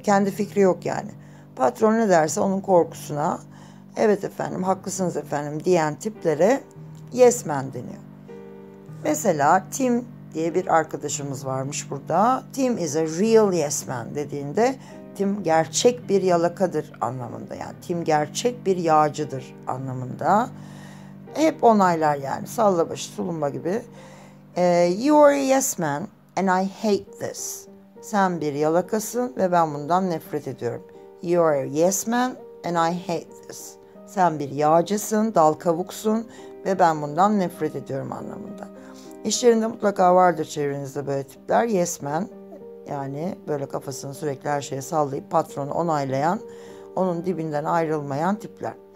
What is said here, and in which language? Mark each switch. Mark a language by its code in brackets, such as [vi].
[tr] Kendi fikri yok yani. Patron ne derse onun korkusuna, evet efendim haklısınız efendim diyen tiplere yes man deniyor. Mesela Tim diye bir arkadaşımız varmış burada. [en] Tim is a real yes man [tr] dediğinde Tim gerçek bir yalakadır anlamında, yani Tim gerçek bir yağcıdır anlamında. Hep onaylar yani, salla başı sulunma gibi. [en] You are a yes man and I hate this. [tr] Sen bir yalakasın ve ben bundan nefret ediyorum. [en] You are a yes man and I hate this. [tr] Sen bir yağcısın, dal kavuksun ve ben bundan nefret ediyorum anlamında. İş yerinde mutlaka vardır çevrenizde böyle tipler. Yes man, yani böyle kafasını sürekli her şeye sallayıp patronu onaylayan, onun dibinden ayrılmayan tipler.